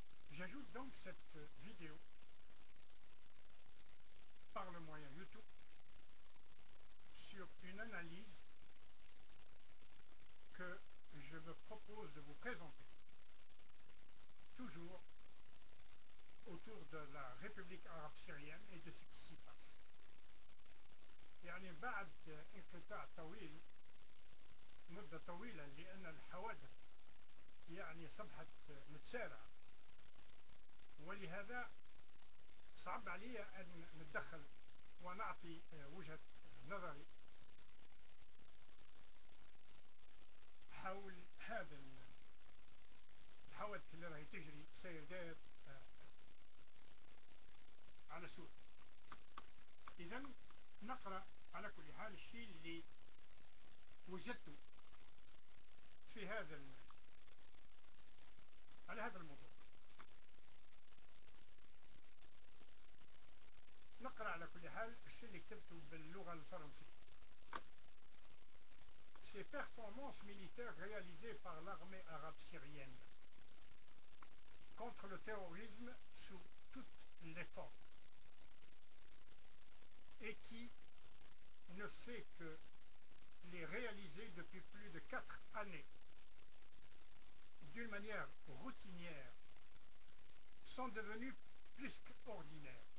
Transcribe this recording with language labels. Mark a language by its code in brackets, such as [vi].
[fr] J'ajoute donc cette vidéo par le moyen YouTube sur une analyse que je me propose de vous présenter, toujours autour de la République arabe syrienne et de ce qui s'y passe. Et en [ar] بعد انقطاع طويل مدة طويلة لأن الحوادث يعني صبحت متسارعة. ولهذا صعب علي أن نتدخل ونعطي وجهة نظري حول هذا الحوادث اللي راهي تجري سير داير على سوريا. إذن نقرأ على كل حال الشيء اللي وجدته في هذا على هذا الموضوع. نقرأ على كل حال الشيء اللي كتبته باللغة الفرنسية. [fr] Ces performances militaires réalisées par l'armée arabe syrienne contre le terrorisme sous toutes les formes et qui ne fait que les réaliser depuis plus de 4 années d'une manière routinière sont devenues plus qu'ordinaires.